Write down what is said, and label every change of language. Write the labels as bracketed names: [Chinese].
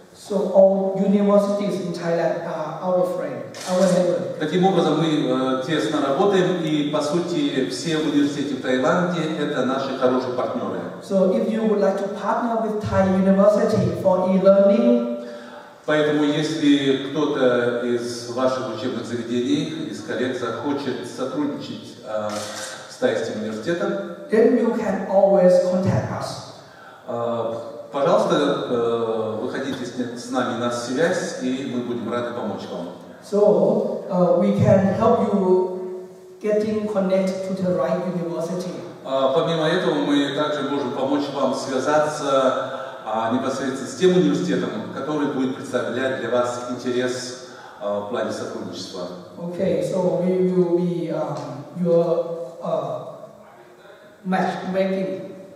[English] So all universities in Thailand are our friend, our neighbor. [Russian] Таким образом, мы тесно работаем, и по сути все университеты в Таиланде это наши хорошие партнеры. [English] So if you would like to partner with Thai University for e-learning. [Russian] Поэтому если кто-то из ваших учебных заведений, из коллег захочет сотрудничать с Тайским университетом, [English] then you can always contact us. [Russian] Пожалуйста, выходите с нами на связь, и мы будем рады помочь вам. [English] So, we can help you getting connected to the right university. [Russian] Помимо этого, мы также можем помочь вам связаться непосредственно с тем университетом, который будет представлять для вас интерес в плане сотрудничества. [English] Okay, so we will be your matchmaking.